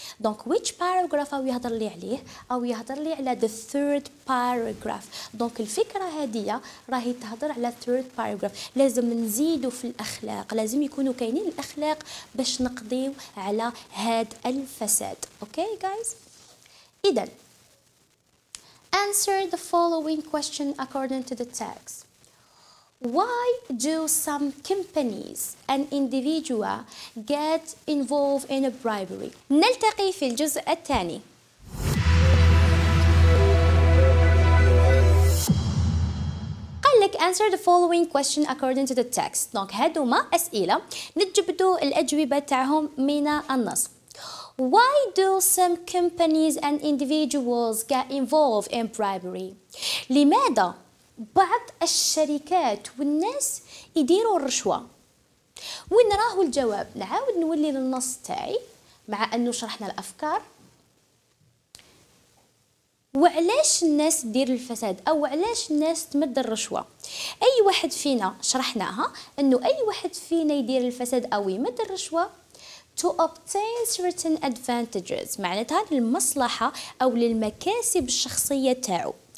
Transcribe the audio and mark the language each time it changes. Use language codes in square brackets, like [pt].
[ar] دونك [en] which paragraph [ar] أو يهضر لي عليه؟ أو يهضر لي على [en] the third paragraph. [ar] دونك الفكرة هادية راهي تهضر على [en] third paragraph. [ar] لازم نزيدو في الأخلاق، لازم يكونوا كاينين الأخلاق باش نقضيو على هاد الفساد. [en] Okay guys؟ [ar] إذن [en] answer the following question according to the text. Why do some companies and individuals get involved in a bribery? [ar] نلتقي في الجزء الثاني. قال لك [en] answer the following question according to the text. [ar] دونك هادو ما أسئلة، نتجبدو الأجوبة تاعهم من النص. [en] Why do some companies and individuals get involved in bribery? [ar] لماذا بعض الشركات والناس يديروا الرشوة؟ ونراه الجواب. نعاود نولي للنص تاعي مع أنه شرحنا الأفكار. وعلاش الناس تدير الفساد أو علاش الناس تمد الرشوة؟ أي واحد فينا شرحناها أنه أي واحد فينا يدير الفساد أو يمد الرشوة [en] to obtain certain advantages، [ar] معناتها للمصلحة أو للمكاسب الشخصية تاعو.